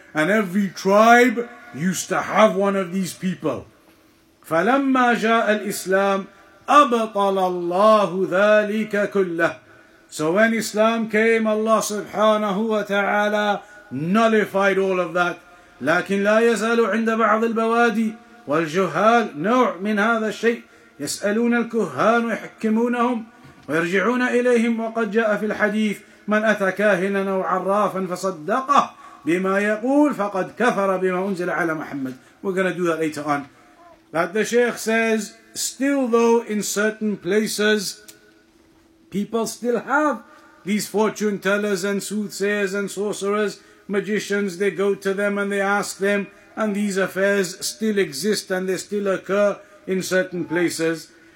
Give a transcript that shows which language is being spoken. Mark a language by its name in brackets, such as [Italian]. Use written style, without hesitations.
[English] And every tribe used to have one of these people. [Arabic] فَلَمَّا جَاءَ الْإِسْلَامُ أَبْطَلَ اللَّهُ ذَلِكَ كُلَّهُ [English] So when Islam came, Allah subhanahu wa ta'ala nullified all of that. [Arabic] لَكِنْ لَا يَزَالُ عِنْدَ بَعْضِ الْبَوَادِي وَالْجُهَالُ نَوْعٌ مِنْ هَذَا الشَّيْءٍ يَسْأَلُونَ الْكُهَّانُ وَيَحْكِمُونَهُمْ وَيَرْجِعُونَ إِلَيْهِمْ وَقَدْ جَاءَ فِي الْحَدِيثِ مَنْ أَتَى كَاهِنًا أَوْ عَرَّافًا فَصَدَّقَهُ بِمَا يَقُولُ فَقَدْ كَفَرَ بِمَا أُنْزِلَ عَلَى مُحَمَّدٍ [English] We're going to do that later on. That the Shaykh says, still though in certain places, people still have these fortune tellers and soothsayers and sorcerers, magicians, they go to them and they ask them, and these affairs still exist and they still occur in certain places.